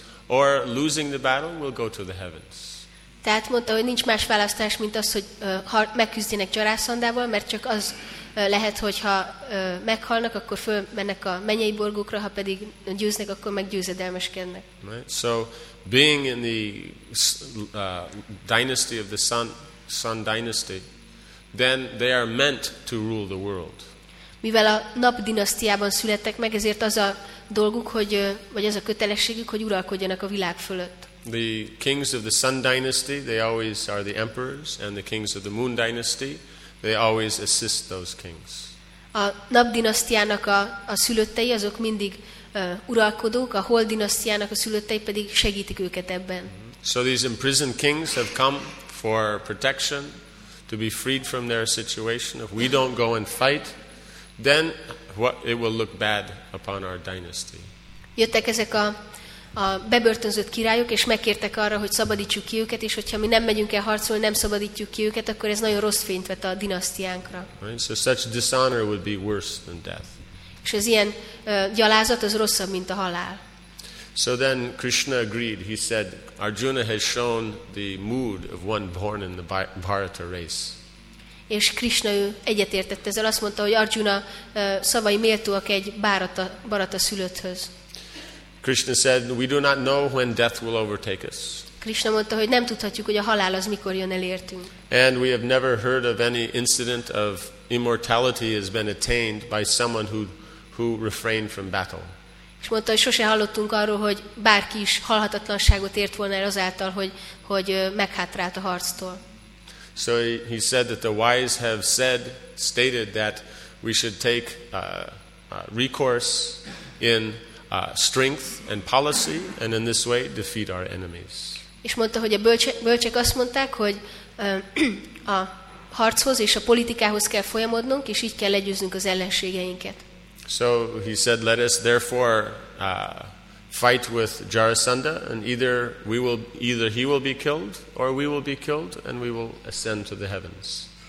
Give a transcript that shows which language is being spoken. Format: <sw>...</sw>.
<en>or losing the battle, we'll go to the heavens.</en> <hu>Tehát mondta, hogy nincs más választás, mint az, hogy megküzdjenek Jarászandával, mert csak az lehet, hogyha meghalnak, akkor fölmennek a mennyei borgókra, ha pedig győznek, akkor meggyőzedelmeskednek.</hu> <en>Right. So, being in the dynasty of the Sun dynasty, then they are meant to rule the world.</en> <hu>Mivel a Nap dinasztiában születtek meg, ezért az a dolguk, hogy vagy az a kötelességük, hogy uralkodjanak a világ fölött.</hu> <en>The kings of the Sun dynasty, they always are the emperors, and the kings of the Moon dynasty, they always assist those kings.</en> <hu>A Nap dinasztiának a szülöttei azok mindig uralkodók, a Hold dinasztiának a szülöttei pedig segítik őket ebben.</hu> <en>So these imprisoned kings have come for protection, to be freed from their situation. If we don't go and fight, then what it will look bad upon our dynasty.</en> <hu>Jöttek ezek a bebörtönzött királyok, és megkértek arra, hogy szabadítsuk ki őket, és hogyha mi nem megyünk el harcolni, nem szabadítjuk ki őket, akkor ez nagyon rossz fényt vet a dinasztiánkra.</hu> <en>Right? So such dishonor would be worse than death.</en> <hu>És az ilyen gyalázat az rosszabb, mint a halál.</hu> <en>So then Krishna agreed. He said, Arjuna has shown the mood of one born in the Bharata race.</en> <hu>És Krishna ő egyetértett ezzel. Azt mondta, hogy Arjuna szavai méltóak egy Bharata szülötthöz.</hu> <en>Krishna said, we do not know when death will overtake us.</en> <hu>Krishna mondta, hogy nem tudhatjuk, hogy a halál az mikor jön elértünk.</hu> <en>And we have never heard of any incident of immortality has been attained by someone who refrained from battle.</en> <hu>És mondta, hogy sose hallottunk arról, hogy bárki is halhatatlanságot ért volna el azáltal, hogy meghátrált a harctól.</hu> <en>So he said that the wise have stated that we should take recourse in strength and policy, and in this way defeat our enemies.</en> <hu>És mondta, hogy a bölcsek azt mondták, hogy a harchoz és a politikához kell folyamodnunk, és így kell legyőznünk az ellenségeinket.</hu> <en>So he said, let us therefore fight with Jarasandha, and either he will be killed, or we will be killed, and we will ascend to the heavens.</en>